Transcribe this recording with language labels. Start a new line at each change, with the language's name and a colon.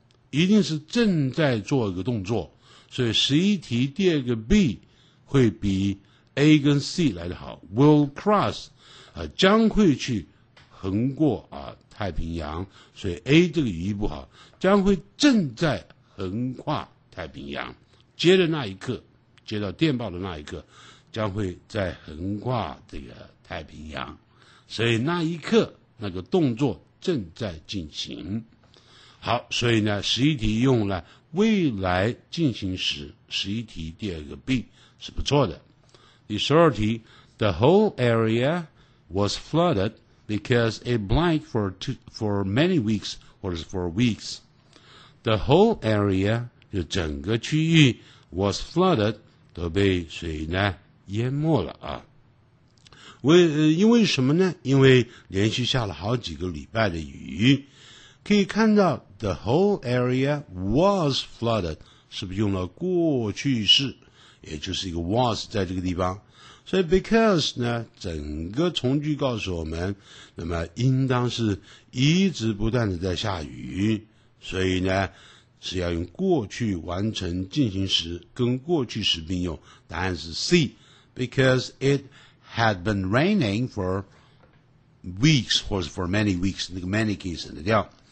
Chinese: 一定是正在做一个动作，所以十一题第二个 B 会比 A 跟 C 来得好， will cross、将会去横过、太平洋，所以 A 这个语义不好，将会正在横跨太平洋，接的那一刻，接到电报的那一刻将会在横跨这个太平洋，所以那一刻那个动作正在进行。好，所以呢十一题用了未来进行时，十一题第二个 B 是不错的。第十二题，
English: The whole area was flooded because it blanked for many weeks，
Chinese: 或者是
English: for weeks。 The whole area
Chinese: 就整个区域
English: was flooded
Chinese: 都被水呢淹没了啊。因为什么呢？因为连续下了好几个礼拜的雨。可以看到
English: the whole area was flooded，
Chinese: 是不是用了过去式，也就是一个 was 在这个地方。所以 because 呢，整个从句告诉我们，那么应当是一直不断的在下雨，所以呢是要用过去完成进行时跟过去时并用，答案是 C。
English: Because it had been raining for weeks，
Chinese: 或者
English: for many weeks，
Chinese: 那个 many 可以省得掉。